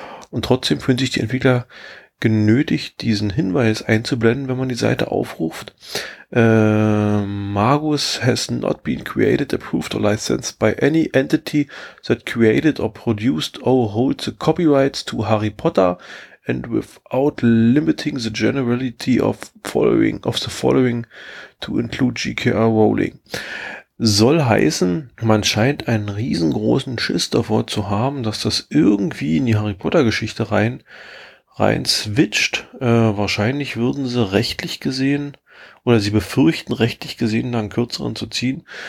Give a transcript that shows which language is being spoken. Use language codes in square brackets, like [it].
[de] Und trotzdem fühlen sich die Entwickler genötigt, diesen Hinweis einzublenden, wenn man die Seite aufruft. [en] Magus has not been created, approved or licensed by any entity that created or produced or holds the copyrights to Harry Potter and without limiting the generality of the following to include J.K.R. Rowling. [de] Soll heißen, man scheint einen riesengroßen Schiss davor zu haben, dass das irgendwie in die Harry Potter Geschichte rein switcht. Wahrscheinlich würden sie rechtlich gesehen, oder sie befürchten rechtlich gesehen, dann kürzeren zu ziehen.